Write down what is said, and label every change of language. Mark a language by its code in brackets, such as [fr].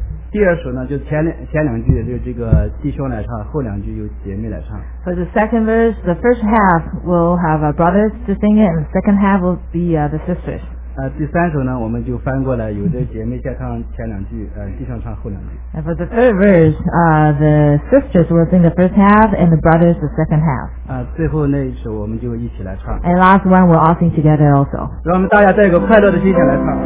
[zh] 第二首呢，就前两句就是这个弟兄来唱，后两句由姐妹来唱。 [en] So the second verse, the first half will have our brothers to sing it, and the second half will be the sisters. [zh] 第三首呢，我们就翻过来，由这姐妹先唱前两句，弟兄唱后两句。 [en] And for the third verse, the sisters will sing the first half, and the brothers the second half. [zh] 最后那一首我们就一起来唱。 [en] And last one, we'll all sing together also. [zh] 让我们大家带一个快乐的心情来唱。